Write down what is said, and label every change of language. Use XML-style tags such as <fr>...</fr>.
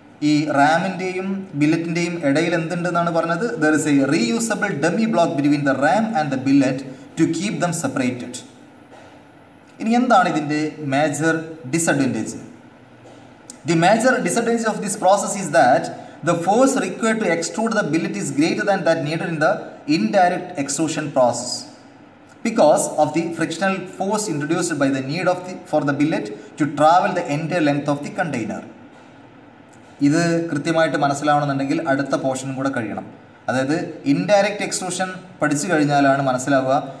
<ml>ഈ റാമിൻ്റെയും ബില്ലറ്റിൻ്റെയും ഇടയിൽ എന്തുണ്ടെന്നാണ് പറഞ്ഞത്,</ml> <en>There is a reusable dummy block between the ram and the billet to keep them separated.</en> <ml>ഇനി എന്താണ് ഇതിൻ്റെ</ml> <en>Major disadvantage? The major disadvantage of this process is that the force required to extrude the billet is greater than that needed in the indirect extrusion process. Because of the frictional force introduced by the need of the for the billet to travel the entire length of the container.</en> <ml>ഇത് കൃത്യമായിട്ട് മനസ്സിലാവണമെന്നുണ്ടെങ്കിൽ അടുത്ത പോർഷനും കൂടെ കഴിയണം. അതായത് indirect extrusion പഠിച്ചു കഴിഞ്ഞാലാണ് മനസ്സിലാവുക</ml>